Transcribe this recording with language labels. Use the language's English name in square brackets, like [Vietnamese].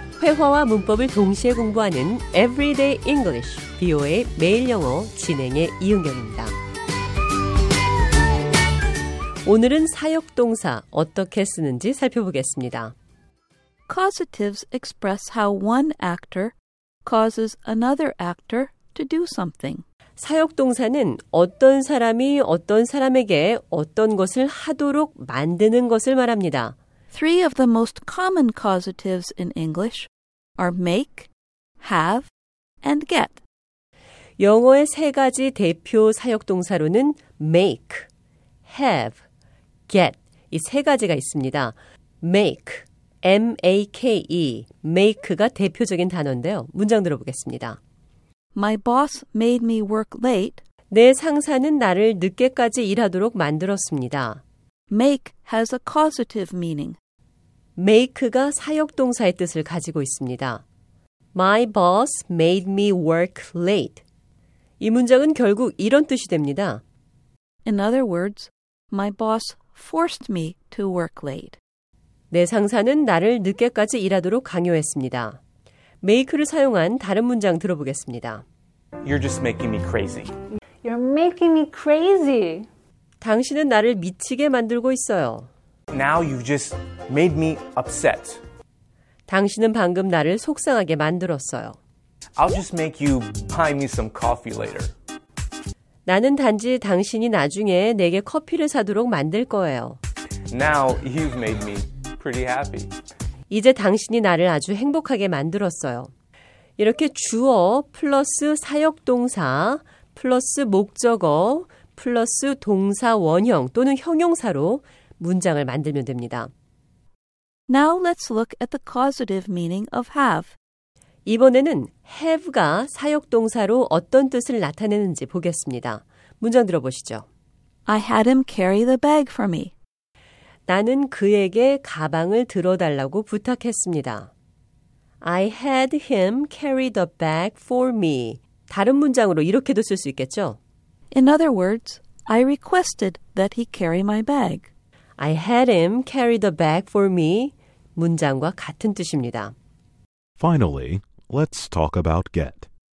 [Korean] 회화와 문법을 동시에 공부하는 Everyday English, VOA 매일 영어 진행의 이은경입니다. 오늘은 사역동사 어떻게 쓰는지 살펴보겠습니다. [English] Causatives express how one actor causes another actor to do something. [Korean] 사역동사는 어떤 사람이 어떤 사람에게 어떤 것을 하도록 만드는 것을 말합니다. [English] Three of the most common causatives in English are make, have, and get. [Korean] 영어의 세 가지 대표 사역동사로는 make, have, get 이 세 가지가 있습니다. Make, M-A-K-E, make가 대표적인 단어인데요. 문장 들어보겠습니다. [English] My boss made me work late. [Korean] 내 상사는 나를 늦게까지 일하도록 만들었습니다. [English] Make has a causative meaning. [Korean] make가 사역동사의 뜻을 가지고 있습니다. [English] My boss made me work late. [Korean] 이 문장은 결국 이런 뜻이 됩니다. [English] In other words, my boss forced me to work late. [Korean] 내 상사는 나를 늦게까지 일하도록 강요했습니다. make를 사용한 다른 문장 들어보겠습니다. [English] You're just making me crazy. You're making me crazy. [Korean] 당신은 나를 미치게 만들고 있어요. [English] Now you just made me upset. [Korean] 당신은 방금 나를 속상하게 만들었어요. [English] I'll just make you buy me some coffee later. [Korean] 나는 단지 당신이 나중에 내게 커피를 사도록 만들 거예요. [English] Now you've made me pretty happy. [Korean] 이제 당신이 나를 아주 행복하게 만들었어요. 이렇게 주어 플러스 사역동사 플러스 목적어 플러스 동사 원형 또는 형용사로 문장을 만들면 됩니다. [English] Now let's look at the causative meaning of have. [Korean] 이번에는 have가 사역동사로 어떤 뜻을 나타내는지 보겠습니다. 문장 들어보시죠. [English] I had him carry the bag for me. [Korean] 나는 그에게 가방을 들어달라고 부탁했습니다. [English] I had him carry the bag for me. [Korean] 다른 문장으로 이렇게도 쓸 수 있겠죠? [English] In other words, I requested that he carry my bag. I had him carry the bag for me. [Korean] 문장과 같은 뜻입니다. [English] Finally, let's talk about get.